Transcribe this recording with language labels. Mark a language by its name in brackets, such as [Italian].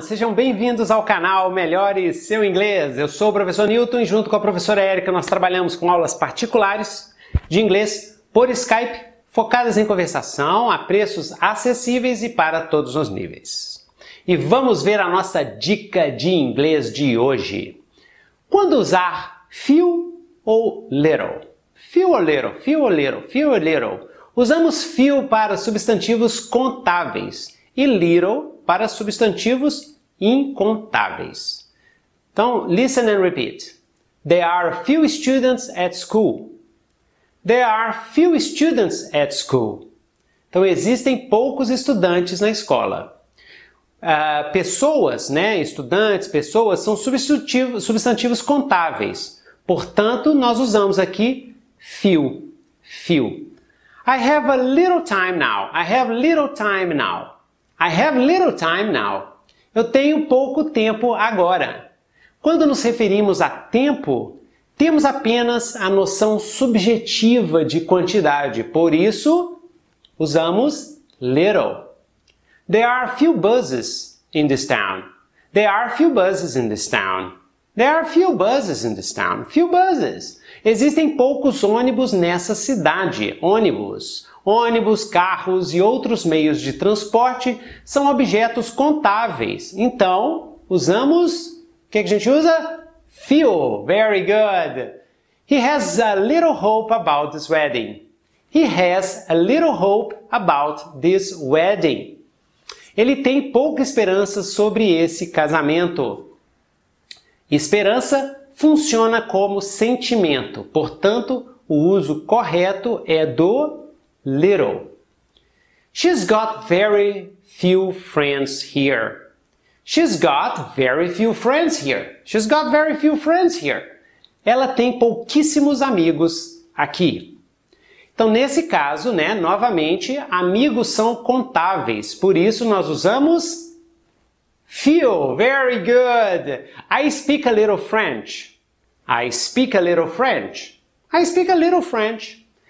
[Portuguese] Sejam bem-vindos ao canal Melhore Seu Inglês. Eu sou o professor Newton e junto com a professora Erika nós trabalhamos com aulas particulares de inglês por Skype, focadas em conversação, a preços acessíveis e para todos os níveis. E vamos ver a nossa dica de inglês de hoje. Quando usar few ou little? [English] Few or little, few or little, few or little. [Portuguese] Usamos few para substantivos contáveis e little para substantivos incontáveis. Então, [English] listen and repeat. There are few students at school. There are few students at school. [Portuguese] Então, existem poucos estudantes na escola. Pessoas, né? Estudantes, pessoas, são substantivos contáveis. Portanto, nós usamos aqui few. [English] Few. I have a little time now. I have little time now. I have little time now. [Portuguese] Eu tenho pouco tempo agora. Quando nos referimos a tempo, temos apenas a noção subjetiva de quantidade. Por isso, usamos little. There are few buses in this town. There are few buses in this town. There are few buses in this town. Few buses. Existem poucos ônibus nessa cidade. Ônibus. Ônibus, carros e outros meios de transporte são objetos contáveis. Então, usamos... O que a gente usa? Few. [English] Very good. He has a little hope about this wedding. He has a little hope about this wedding. [Portuguese] Ele tem pouca esperança sobre esse casamento. Esperança funciona como sentimento. Portanto, o uso correto é do... [English] little. She's got very few friends here. She's got very few friends here. She's got very few friends here. [Portuguese] Ela tem pouquíssimos amigos aqui. Então, nesse caso, né, novamente, amigos são contáveis. Por isso, nós usamos few. [English] Very good. I speak a little French. I speak a little French. I speak a little French.